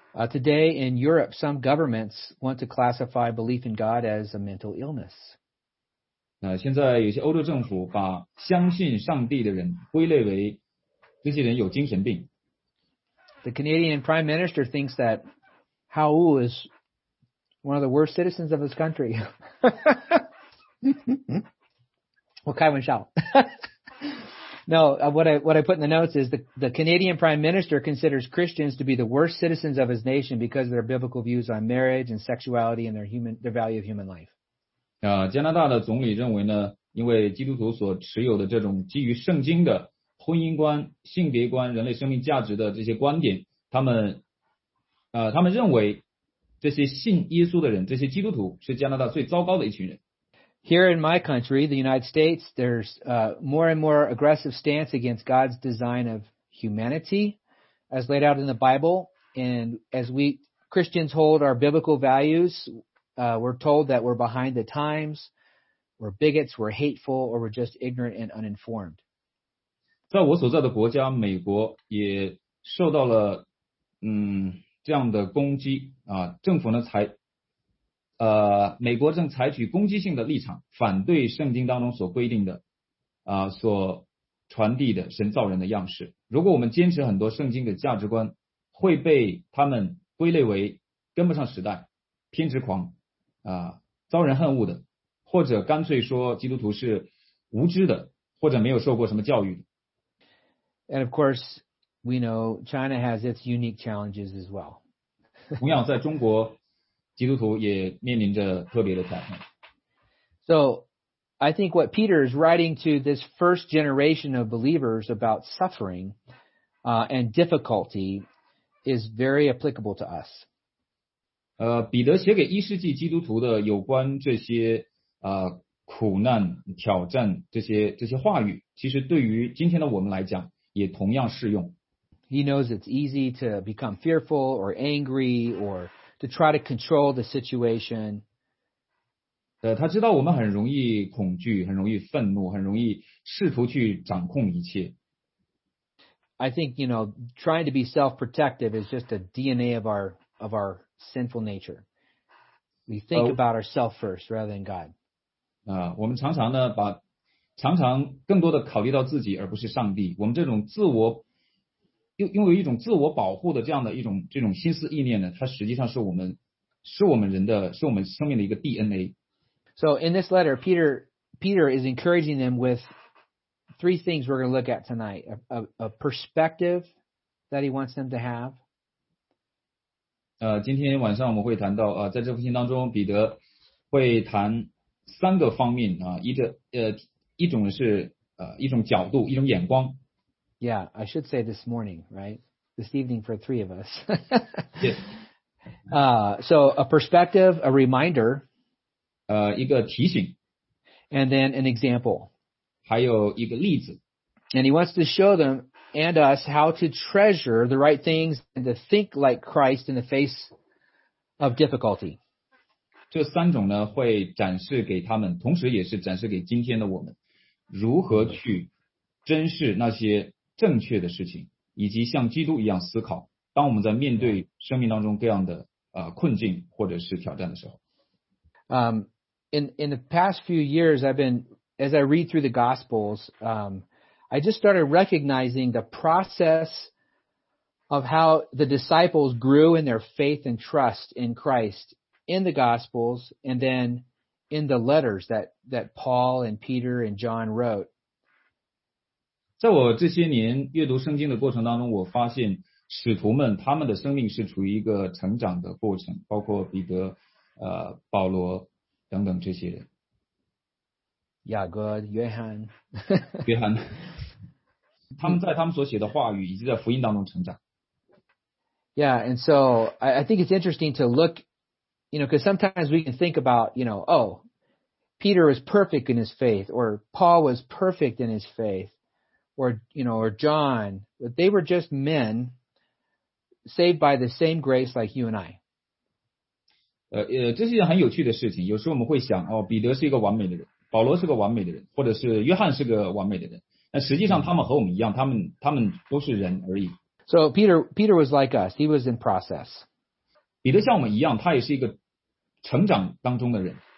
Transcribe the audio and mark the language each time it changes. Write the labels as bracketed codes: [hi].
[en] Today in Europe, some governments want to classify belief in God as a mental illness. [zh] 现在有些欧洲政府把相信上帝的人归类为这些人有精神病。 [en] The Canadian Prime Minister thinks that Hao is one of the worst citizens of his country. [zh] 我开玩笑。 [en] No, what I put in the notes is the Canadian Prime Minister considers Christians to be the worst citizens of his nation because of their biblical views on marriage and sexuality and their value of human life. [zh] 加拿大的总理认为呢，因为基督徒所持有的这种基于圣经的婚姻观、性别观、人类生命价值的这些观点，他们认为这些信耶稣的人，这些基督徒是加拿大最糟糕的一群人。 [en] Here in my country, the United States, there's a more and more aggressive stance against God's design of humanity as laid out in the Bible. And as we Christians hold our biblical values, we're told that we're behind the times, we're bigots, we're hateful, or we're just ignorant and uninformed. [zh] 在我所在的国家，美国也受到了这样的攻击啊，政府呢才。美国正采取攻击性的立场，反对圣经当中所规定的，所传递的神造人的样式。如果我们坚持很多圣经的价值观，会被他们归类为跟不上时代、偏执狂、遭人恨恶的，或者干脆说基督徒是无知的，或者没有受过什么教育的。 [en] And of course, we know China has its unique challenges as well. [zh] 同样，在中国。基督徒也面临着特别的挑战。 [en] So, I think what Peter is writing to this first generation of believers about suffering, and difficulty is very applicable to us. [zh] 彼得写给一世纪基督徒的有关这些苦难、挑战这些话语，其实对于今天的我们来讲也同样适用。 [en] He knows it's easy to become fearful or angry or to try to control the situation. [zh] 他知道我们很容易恐惧，很容易愤怒，很容易试图去掌控一切。 [en] I think, you know, trying to be self-protective is just a DNA of our sinful nature. We think about ourselves first rather than God. [zh] 我们常常呢把常常更多的考虑到自己而不是上帝。我们这种自我因为一种自我保护的这样的一种这种心思意念呢，它实际上是我们生命的一个 DNA。 [en] So in this letter, Peter is encouraging them with three things we're going to look at tonight: a perspective that he wants them to have. [zh] 今天晚上我们会谈到在这封信当中，彼得会谈三个方面一种角度，一种眼光。 [en] Yeah, I should say this morning, right? This evening for three of us. Yes. So a perspective, a reminder. [zh] 一个提醒。 [en] And then an example. [zh] 还有一个例子。 [en] And he wants to show them and us how to treasure the right things and to think like Christ in the face of difficulty. [zh] 这三种呢会展示给他们，同时也是展示给今天的我们，如何去珍视那些正确的事情，以及像基督一样思考。当我们在面对生命当中各样的困境或者是挑战的时候， [en] In the past few years, as I read through the Gospels, I just started recognizing the process of how the disciples grew in their faith and trust in Christ in the Gospels, and then in the letters that Paul and Peter and John wrote. [zh] 在我这些年阅读圣经的过程当中，我发现使徒们他们的生命是处于一个成长的过程，包括彼得、保罗等等这些人。雅各、约翰，约翰，他们在他们所写的话语以及在福音当中成长。 [en] Yeah, and so I think it's interesting to look, you know, because sometimes we can think about, you know, oh, Peter was perfect in his faith, or Paul was perfect in his faith, or, you know, or John, but they were just men saved by the same grace like you and I. [zh] 这是一件很有趣的事情。有时候我们会想，哦，彼得是一个完美的人，保罗是个完美的人，或者是约翰是个完美的人。但实际上他们和我们一样，他们都是人而已。 [en] So Peter was like us. He was in process. [zh] 彼得像我们一样，他也是一个成长当中的人。